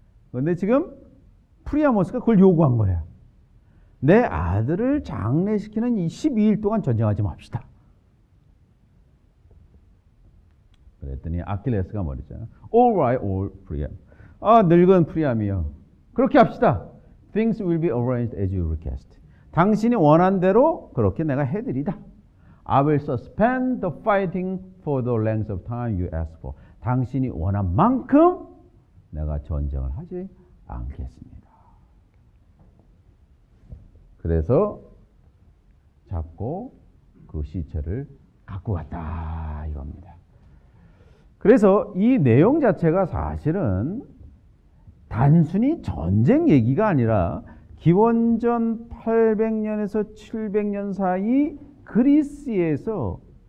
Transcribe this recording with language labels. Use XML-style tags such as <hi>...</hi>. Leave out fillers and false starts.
<ko>그런데 지금 프리아모스가 그걸 요구한 거야. 내 아들을 장례시키는 이 12일 동안 전쟁하지 맙시다. 그랬더니 아킬레스가 말했잖아.</ko> <en>All right, all Priam.</en> <ko>늙은 프리암이여. 그렇게 합시다.</ko> <en>Things will be arranged as you request.</en> <ko>당신이 원한 대로 그렇게 내가 해드리다.</ko> <en>I will suspend the fighting for the length of time you ask for.</en> <ko>당신이 원한 만큼 내가 전쟁을 하지 않겠습니다. 그래서 잡고 그 시체를 갖고 갔다 이겁니다. 그래서 이 내용 자체가 사실은 단순히 전쟁 얘기가 아니라 기원전 800년에서 700년 사이 그리스에서</ko>